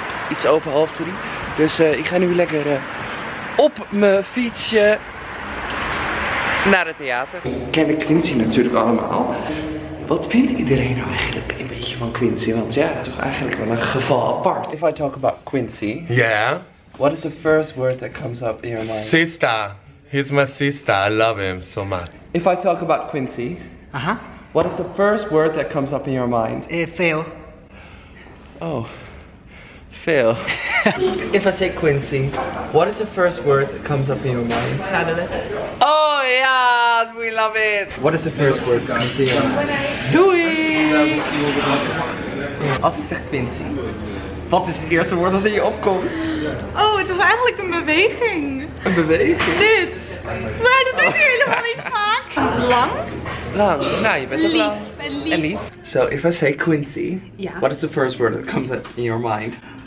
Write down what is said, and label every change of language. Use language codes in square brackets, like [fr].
[nl] Iets over 2:30. Dus ik ga nu lekker op mijn fietsje naar het theater. Ik ken Quincy natuurlijk allemaal. Wat vindt iedereen nou eigenlijk een beetje van Quincy? Want ja, het is toch eigenlijk wel een geval apart. [en] If I talk about Quincy. Yeah. What is the first word that comes up in your mind? Sister. He's my sister. I love him so much. If I talk about Quincy. Uh-huh. What is the first word that comes up in your mind? Fail. Oh. Fail. If I say Quincy, what is the first word that comes up in your mind? Fabulous. Oh yes, we love it. What is the first word that comes in your mind? [nl] Doei! Als je zegt Quincy, wat is het eerste woord dat in je opkomt? Oh, het was eigenlijk een beweging. Een beweging? Dit. Maar dat is hier helemaal niet vaak. Lang. Lang. Nou, je bent lief. Lang. Lief. En lief. [en] So, if I say Quincy, yeah. What is the first word that comes up in your mind?